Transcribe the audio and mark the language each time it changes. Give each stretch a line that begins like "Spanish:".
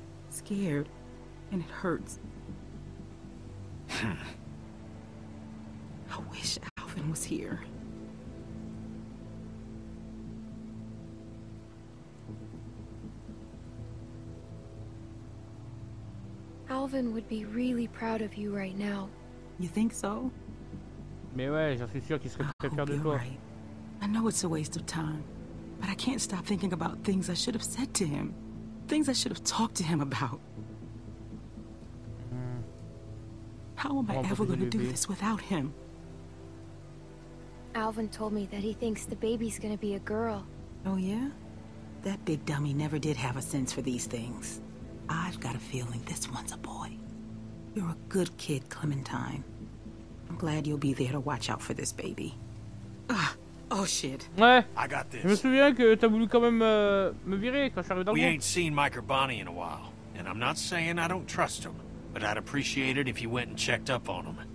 English: Scared, and it hurts. I wish Alvin was here. Alvin would be really proud of you right now. You think so?
French: Mais ouais, j'en suis sûr qu'il serait très fier de toi.
English: Right. I know it's a waste of time. But I can't stop thinking about things I should have said to him. Things I should have talked to him about. How am I ever going to do this without him? Alvin told me that he thinks the baby's going to be a girl. Oh yeah? That big dummy never did have a sense for these things. I've got a feeling this one's a boy. You're a good kid, Clementine. I'm glad you'll be there to watch out for this baby. Ah! Oh shit.
French: Ouais. Je me souviens que t'as voulu quand même me virer quand je suis arrivé dans le monde.
English: We ain't seen Mike or Bonnie in a while, and I'm not saying I don't trust them, but I'd appreciate it if you went and checked up on them.